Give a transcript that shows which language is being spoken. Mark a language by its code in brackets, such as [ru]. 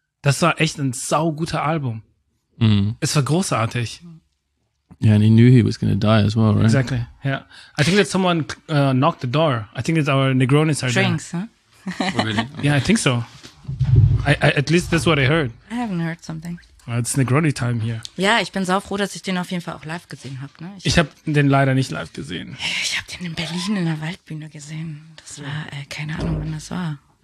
[de] Das war echt ein sauguter Album. Mm. Es war großartig. [en] Yeah, and he knew he was going to die as well, right? Exactly, yeah. I think that someone knocked the door. I think it's our Negronis are there. Drinks, huh? Oh, really? Okay. Yeah, I think so. I at least that's what I heard. I haven't heard something. Well, it's Negroni time here. [de] Yeah, ich bin saufroh, dass ich den auf jeden Fall auch live gesehen habe. Ne? Ich habe den leider nicht live gesehen. Ich habe den in Berlin in der Waldbühne gesehen. Das war, keine Ahnung, wann das war.